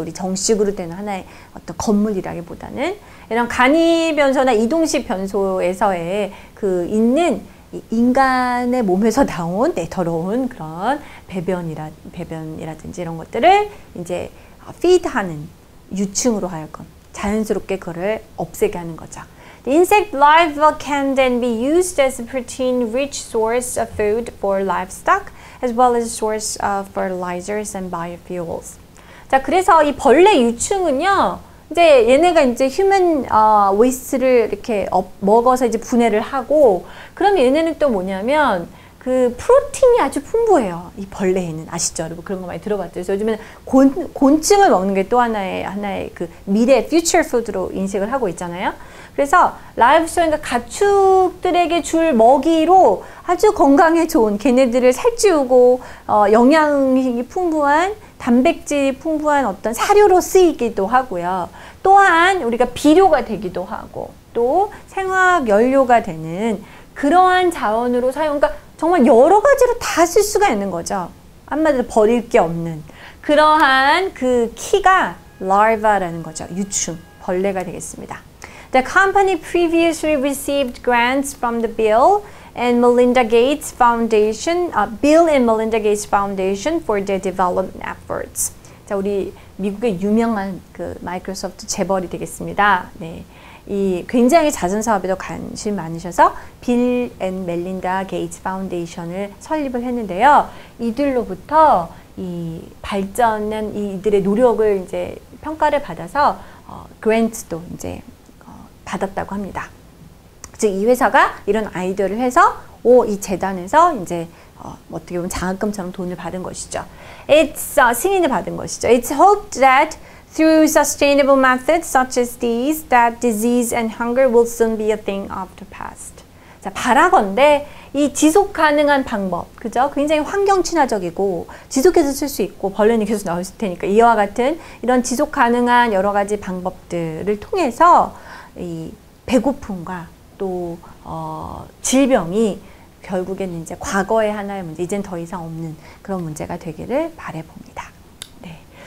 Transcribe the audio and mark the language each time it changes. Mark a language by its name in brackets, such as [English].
[Korean] 우리 정식으로 된 하나의 어떤 건물이라기보다는 이런 간이 변소나 이동식 변소에서의 그 있는 인간의 몸에서 나온 네, 더러운 그런 배변이라든지 이런 것들을 이제 feed하는 유충으로 하여금 자연스럽게 그를 없애게 하는 거죠. [English] The insect larva can then be used as a protein-rich source of food for livestock, as well as a source of fertilizers and biofuels. [Korean] 자, 그래서 이 벌레 유충은요, 이제 얘네가 이제 [English] human waste [Korean] 를 이렇게 먹어서 이제 분해를 하고, 그럼 얘네는 또 뭐냐면 그 프로틴이 아주 풍부해요. 이 벌레에는 아시죠, 여러분? 그런 거 많이 들어봤죠. 요즘에 곤충을 먹는 게 또 하나의 그 미래 future food로 인식을 하고 있잖아요. 그래서 라이브스토어인가 가축들에게 줄 먹이로 아주 건강에 좋은 걔네들을 살찌우고 영양이 풍부한 단백질이 풍부한 어떤 사료로 쓰이기도 하고요. 또한 우리가 비료가 되기도 하고 또 생화학연료가 되는 그러한 자원으로 사용, 그러니까 정말 여러 가지로 다 쓸 수가 있는 거죠. 한마디로 버릴 게 없는 그러한 그 키가 larva라는 거죠. 유충, 벌레가 되겠습니다. [English] The company previously received grants from the Bill and Melinda Gates Foundation, Bill and Melinda Gates Foundation for their development efforts. [Korean] 자, 우리 미국의 유명한 그 마이크로소프트 재벌이 되겠습니다. 네. 이 굉장히 자선 사업에도 관심 많으셔서 빌 앤 멜린다 게이츠 파운데이션을 설립을 했는데요. 이들로부터 이 발전한 이들의 노력을 이제 평가를 받아서 그랜트도 이제 받았다고 합니다. 즉 이 회사가 이런 아이디어를 해서 오, 이 재단에서 이제 어떻게 보면 장학금처럼 돈을 받은 것이죠. [English] It's [Korean] 승인을 받은 것이죠. [English] It's hoped that through sustainable methods such as these that disease and hunger will soon be a thing of the past. [Korean] 자, 바라건대 이 지속 가능한 방법, 그죠? 굉장히 환경 친화적이고 지속해서 쓸 수 있고 벌레는 계속 나올 수 테니까 이와 같은 이런 지속 가능한 여러 가지 방법들을 통해서 이 배고픔과 또 질병이 결국에는 이제 과거의 하나의 문제, 이젠 더 이상 없는 그런 문제가 되기를 바라봅니다. 네.